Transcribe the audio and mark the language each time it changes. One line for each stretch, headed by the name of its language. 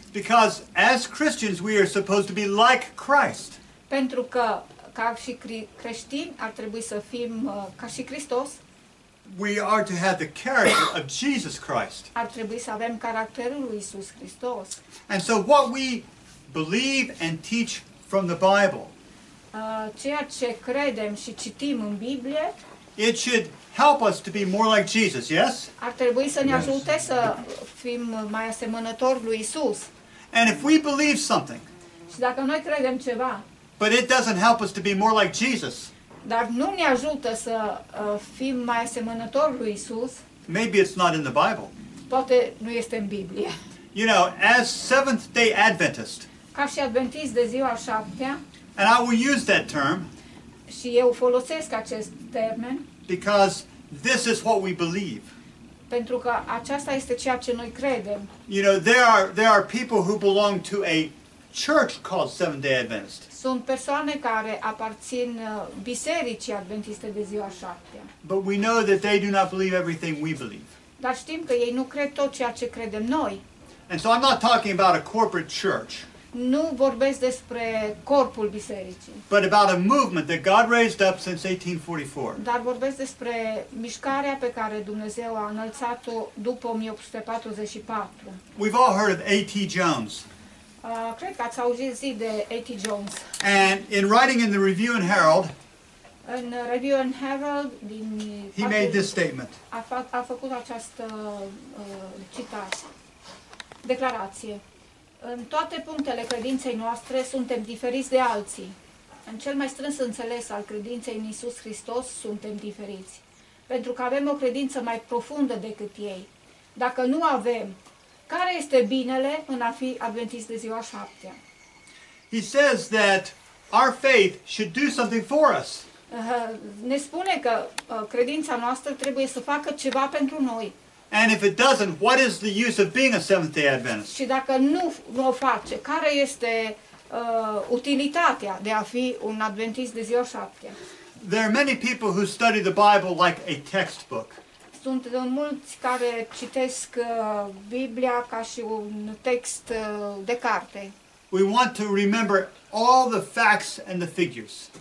English: Because as Christians we are supposed to be like Christ.
Romanian: Pentru că ca și creștini ar trebui să fim ca și Hristos.
English: We are to have the character of Jesus Christ.
Romanian: Ar trebui să avem caracterul lui Isus Hristos.
English: And so what we believe and teach from the Bible.
Romanian: Ceea ce credem și citim în Biblie.
English: It should help us to be more like Jesus, yes?
Romanian: Ar trebui să ne ajute să fim mai asemănători lui Isus.
English: And if we believe something.
Romanian: Și dacă noi credem ceva.
English: But it doesn't help us to be more like Jesus.
Romanian: Dar nu ne ajută să fim mai asemănători lui Isus.
English: Maybe it's not in the Bible.
Romanian: Poate nu este în Biblie.
English: You know, as Seventh-day Adventist.
Romanian: Ca și adventist de ziua a șaptea.
English: And I will use that term.
Romanian: Și eu folosesc acest termen.
English: Because this is what we believe.
Romanian: Pentru că aceasta este ceea ce noi credem.
English: You know, there are people who belong to a church called Seventh-day Adventist.
Romanian: Sunt persoane care aparțin bisericii adventiste de ziua a șaptea.
English: But we know that they do not believe everything we believe.
Romanian: Dar știm că ei nu cred tot ceea ce credem noi.
English: And so I'm not talking about a corporate church.
Romanian: Nu vorbesc despre corpul bisericii.
English: But about a movement that God raised up since 1844.
Romanian: Dar vorbesc despre mișcarea pe care Dumnezeu a înălțat-o după 1844.
English: We've all heard of A.T. Jones.
Romanian: Cred că ați auzit zi de A.T. Jones.
English: And in writing in the Review and Herald.
Romanian: În Review and Herald din
English: he made this statement.
Romanian: A făcut această citație. Declarație. În toate punctele credinței noastre suntem diferiți de alții. În cel mai strâns înțeles al credinței în Iisus Hristos suntem diferiți. Pentru că avem o credință mai profundă decât ei. Dacă nu avem, care este binele în a fi adventist de ziua șaptea?
English: He says that our faith should do something for us.
Romanian: Ne spune că credința noastră trebuie să facă ceva pentru noi.
English: And if it doesn't, what is the use of being a Seventh-day Adventist?
Romanian: Și dacă nu o face, care este utilitatea de a fi un adventist de ziua șaptea?
English: There are many people who study the Bible like a textbook.
Romanian: Sunt mulți care citesc Biblia ca și un text de carte.
English: We want to remember all the facts and the figures.